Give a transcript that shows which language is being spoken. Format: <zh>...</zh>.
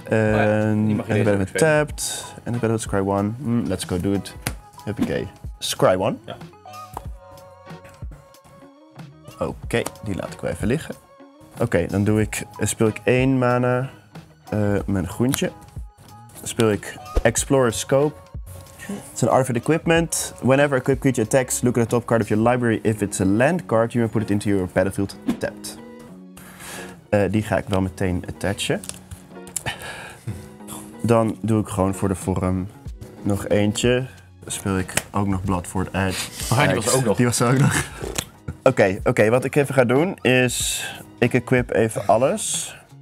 <nl>En ik ben even tapped. En ik ben even scry 1.</nl> <en>Let's go do it.</en> <nl>Huppakee. Scry 1. Ja. Oké, die laat ik wel even liggen. Oké, dan speel ik 1 mana, mijn groentje. Dan speel ik Explorer Scope. Het is een artifact equipment.</nl> <en>Whenever equipped creature attacks, look at the top card of your library. If it's a land card, you may put it into your battlefield tapped.</en> <nl>Die ga ik wel meteen attachen. Dan doe ik gewoon voor de vorm nog eentje. Dan speel ik ook nog Blood for the Edge. Oh, die was ook nog. Die was ook nog. Oké, wat ik even ga doen is, ik equip even alles.</nl>